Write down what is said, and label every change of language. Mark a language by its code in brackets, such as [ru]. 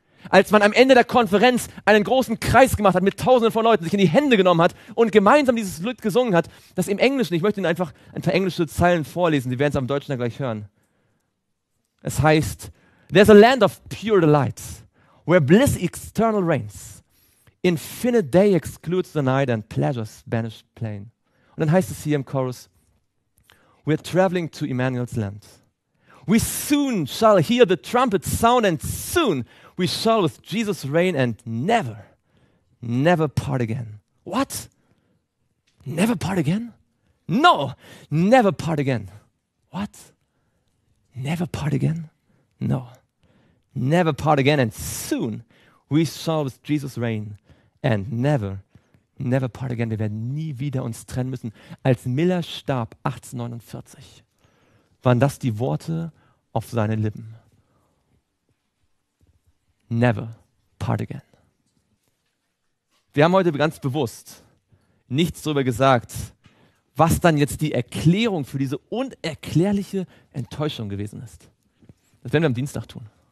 [de] Als man am Ende der Konferenz einen großen Kreis gemacht hat mit Tausenden von Leuten, sich in die Hände genommen hat und gemeinsam dieses Lied gesungen hat, das im Englischen, ich möchte Ihnen einfach ein paar englische Zeilen vorlesen, Sie werden es am Deutschen dann gleich hören. Es heißt, [en] there's a land of pure delights, where bliss eternal reigns. Infinite day excludes the night and pleasures banish pain. [de] Und dann heißt es hier im Chorus, [en] we're traveling to Emmanuel's land. We soon shall hear the trumpet sound and soon we shall with Jesus reign and never, never part again. What? Never part again? No, never part again. What? Never part again? No, never part again and soon we shall with Jesus reign and never, never part again. [de] Wir werden nie wieder uns trennen müssen. Als Miller starb 1849, waren das die Worte auf seinen Lippen. [en] Never part again. [de] Wir haben heute ganz bewusst nichts darüber gesagt, was dann jetzt die Erklärung für diese unerklärliche Enttäuschung gewesen ist. Das werden wir am Dienstag tun.